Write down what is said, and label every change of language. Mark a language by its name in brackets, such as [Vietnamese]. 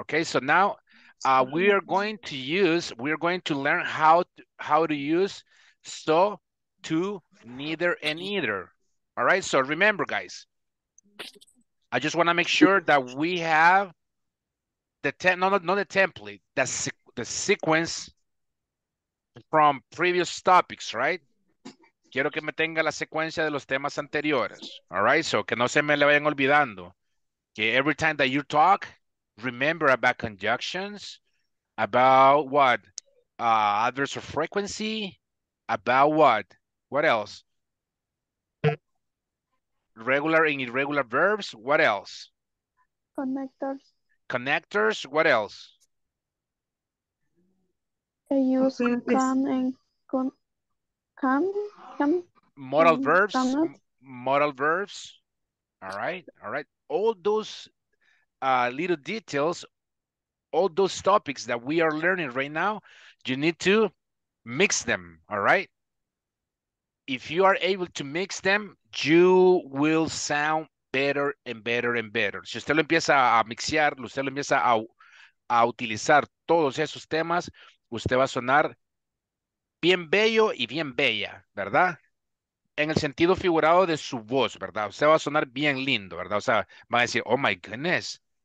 [English] Okay, so now we are going to learn how to use so to, neither and either. All right, so remember, guys, I just want to make sure that we have the te- no, not the template, the sequence from previous topics, right? [Spanish] Quiero que me tenga la secuencia de los temas anteriores. [English] All right, so [Spanish] que no se me le vayan olvidando. Que [English] every time that you talk, remember about conjunctions, about what? Adverbs of frequency, about what? What else? Regular and irregular verbs, what else? Connectors. Connectors, what else? They use can and can. Modal verbs, modal verbs. All right, all right. All those little details, all those topics that we are learning right now, you need to mix them, all right? If you are able to mix them, you will sound better and better and better. [Spanish] Si usted lo empieza a mixear, usted lo empieza a utilizar todos esos temas, usted va a sonar bien bello y bien bella, ¿verdad? En el sentido figurado de su voz, ¿verdad? Usted va a sonar bien lindo, ¿verdad? O sea, va a decir, [English] oh my goodness.